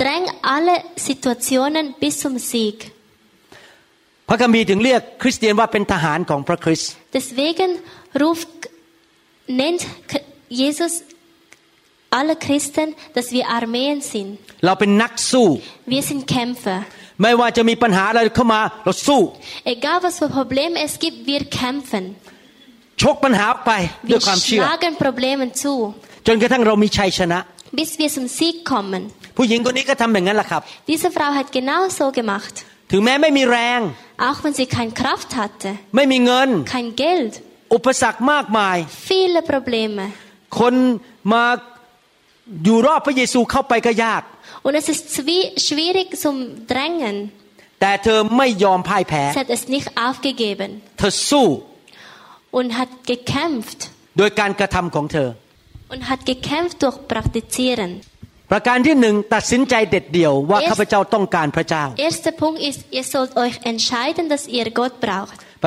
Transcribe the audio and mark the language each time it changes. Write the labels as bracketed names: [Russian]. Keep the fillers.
[German] dräng alle Situationen bis zum Sieg. [Thai] พระคัมภีร์ถึงเรียกคริสเตียนว่าเป็นทหารของพระคริสต์ [German] deswegen ruft nennt Jesus alle Christen, dass wir Armeen sind. [Thai] เราเป็นนักสู้ [German] Wir sind Kämpfer. [Thai] ไม่ว่าจะมีปัญหาอะไรเข้ามาเราสู้ [German] Egal was für Problem es gibt, wir kämpfen. [Thai] ชกปัญหาไปด้วยความเชื่อ [German] Wir schlagen Probleme zu. [Thai] จนกระทั่งเรามีชัยชนะ [German] Bis wir zum Sieg kommen. [Thai] ผู้หญิงคนนี้ก็ทําอย่างนั้นแหละครับ [German] Diese Frau hat genau so gemacht. [Thai] ถึงแม้ไม่มีแรง [German] Auch wenn sie kein Kraft hatte. [Thai] ไม่มีเงิน [German] Kein Geld. [Thai] อุปสรรคมากมาย [German] Viele Probleme. [Thai] คนมาอยู่รอบพระเยซูเข้าไปก็ยาก [German] Und es ist schwierig zum drängen [Thai] แต่เธอไม่ยอมพ่ายแพ้ [German] Sie hat es nicht aufgegeben [Thai] เธอสู้ [German] Und hat gekämpft [Thai] โดยการกระทําของเธอ [German] Und hat gekämpft durch praktizieren [Thai] ประการที่หนึ่งตัดสินใจเด็ดเดี่ยวว่าข้าพเจ้าต้องการพระเจ้า [German] Erster Punkt ist ihr sollt euch entscheiden dass ihr Gott braucht